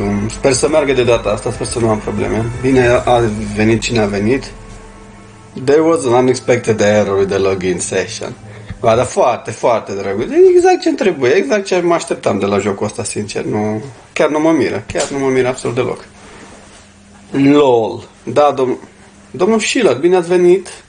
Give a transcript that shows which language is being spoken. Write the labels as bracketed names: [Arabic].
[Romanian] Sper să meargă de data asta, sper să nu am probleme. Bine a venit cine a venit. [English] There was an unexpected error with the login session. [Romanian] Ba, dar foarte, foarte drăguț. Exact ce-mi trebuie, exact ce mă așteptam de la jocul ăsta, sincer. Nu, chiar nu mă miră, chiar nu mă miră absolut deloc. LOL. Da, domnul Schiller, bine ați venit.